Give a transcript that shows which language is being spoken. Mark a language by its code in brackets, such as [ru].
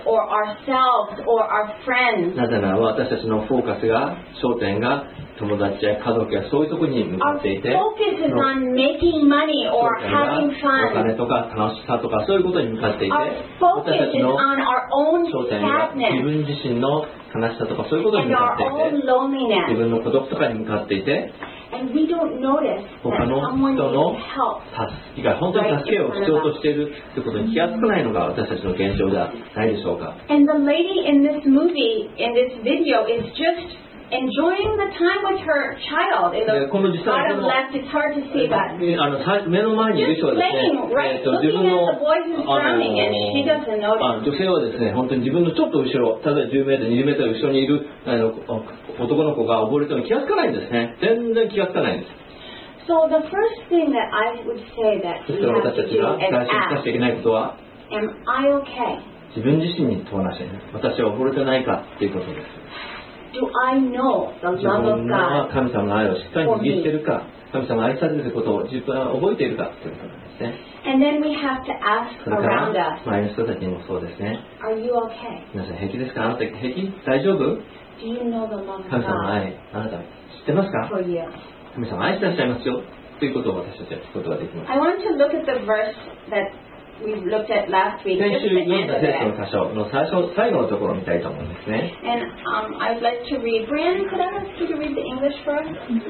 [en] Because our focus is on our families or ourselves or our friends. [ja] なぜなら私たちのフォーカスが焦点が友達や家族やそういうところに向かっていて、 [en] our focus is on making money or having fun. [ja] お金とか楽しさとかそういうことに向かっていて、 [en] our focus is on our own sadness. [ja] 自分自身の悲しさとかそういうことに向かっていて、 [en] and our own loneliness. [ja] 自分の孤独とかに向かっていて、 [en] and we don't notice that someone needs help. [ja] 他の人の本当に助けを必要としているということに気がつかないのが私たちの現状じゃないでしょうか。 [en] And the lady in this movie, in this video, is justEnjoying the time with her child in the bottom left, it's hard to see, but just laying right, looking at the boy who's drowning, and she doesn't notice. [ja] 女性はですね、本当に自分のちょっと後ろ、例えば10メートル、20メートル後ろにいる男の子が溺れても気がつかないんですね。全然気がつかないんです。 [en] So the first thing that I would say that we have to do is ask, [ja] 私たちがしていけないことは、 [en] Am I okay? [ja] 自分自身に問わせて、私は溺れてないかということです。 [en] Do I know the love of God? [ja] 自分は神様の愛をしっかり握っているか、神様が愛されていることを自分は覚えているかということですね。 [en] And then we have to ask around us. [ja] 周りの人たちにもそうですね。 [en] Are you okay? [ja] 皆さん平気ですか？あなた平気？大丈夫？ [en] Do you know the love of God? [ja] 神様の愛、あなた知ってますか？ [en] For you. [ja] 神様愛してらっしゃいますよということを私たちは聞くことができます。 [en] I want to look at the verse that we looked at last week. [ja] 先週読んだ聖書の箇所の最初、最後のところを見たいと思うんですね。 [en] And I'd like to read. Brian, could I ask you to read the English for us?